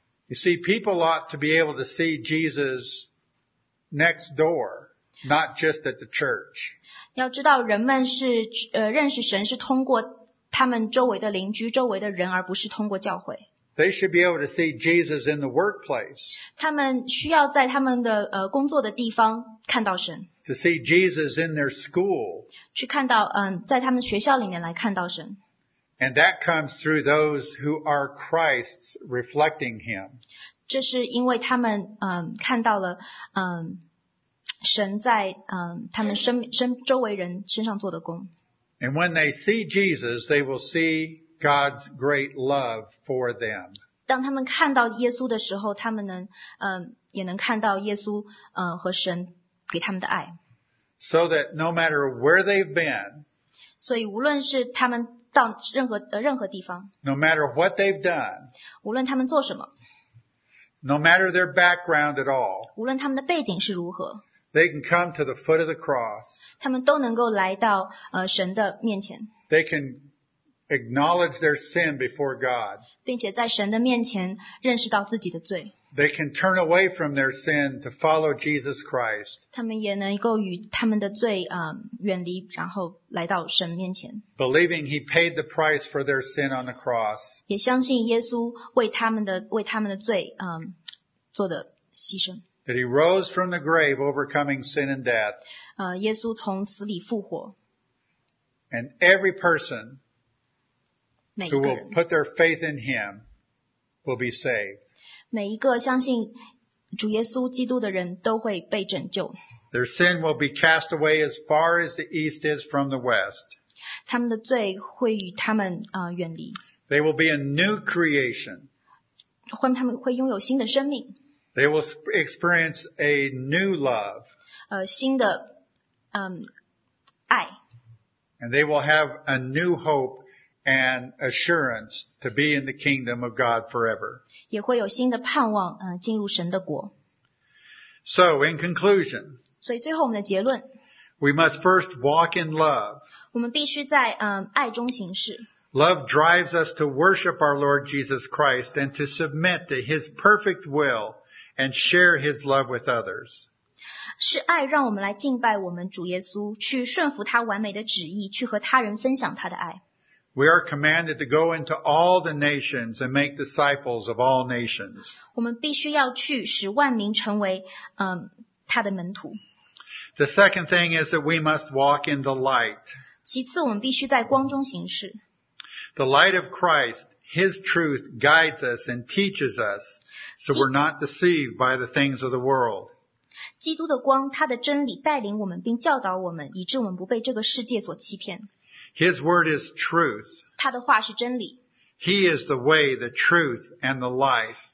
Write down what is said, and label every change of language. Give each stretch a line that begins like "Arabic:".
English: You see, people ought to be able to see Jesus next door. Not just at the church.
Chinese: 要知道人们是认识神是通过他们周围的邻居周围的人而不是通过教会。
English: They should be able to see Jesus in the workplace.
Chinese: 他们需要在他们的工作的地方看到神。
English: To see Jesus in their school.
Chinese: 去看到在他们学校里面来看到神。
English: And that comes through those who are Christ's reflecting him.
Chinese: 这是因为他们看到了神在他们周围人身上做的工。
English: And when they see Jesus, they will see God's great love for them.
Chinese: 当他们看到耶稣的时候，他们也能看到耶稣和神给他们的爱。
English: So that no matter where they've been,
Chinese: 所以无论是他们到任何地方，
English: no matter what they've done,
Chinese: 无论他们做什么，
English: no matter their background at all,
Chinese: 无论他们的背景是如何，
English: they can come to the foot of the cross.
Chinese: 他们都能够来到神的面前。
English: They can acknowledge their sin before God.
Chinese: 并且在神的面前认识到自己的罪。
English: They can turn away from their sin to follow Jesus Christ.
Chinese: 他们也能够与他们的罪远离然后来到神面前。
English: Believing he paid the price for their sin on the cross.
Chinese: 也相信耶稣为他们的罪做的牺牲。
English: That he rose from the grave overcoming sin and death.
Chinese: 耶稣从死里复活。
English: And every person who will put their faith in him will be saved.
Chinese: 每一个相信主耶稣基督的人都会被拯救。
English: Their sin will be cast away as far as the east is from the west.
Chinese: 他们的罪会与他们远离。
English: They will be a new creation.
Chinese: 他们会拥有新的生命。
English: They will experience a new love.
Chinese: 新的爱。
English: And they will have a new hope and assurance to be in the kingdom of God forever.
Chinese: 也会有新的盼望进入神的国。
English: So, in conclusion,
Chinese: 所以最后我们的结论,
English: we must first walk in love.
Chinese: 我们必须在爱中行事。
English: Love drives us to worship our Lord Jesus Christ and to submit to his perfect will and share his love with others.
Chinese: 是爱让我们来敬拜我们主耶稣,去顺服他完美的旨意,去和他人分享他的爱。
English: We are commanded to go into all the nations and make disciples of all nations.
Chinese: 我们必须要去使万民成为他的门徒。
English: The second thing is that we must walk in the light.
Chinese: 其次我们必须在光中行事。
English: The light of Christ, his truth guides us and teaches us so we're not deceived by the things of the world.
Chinese: 基督的光他的真理带领我们并教导我们以致我们不被这个世界所欺骗。
English: His word is truth.
Chinese: 他的话是真理。
English: He is the way, the truth, and the life.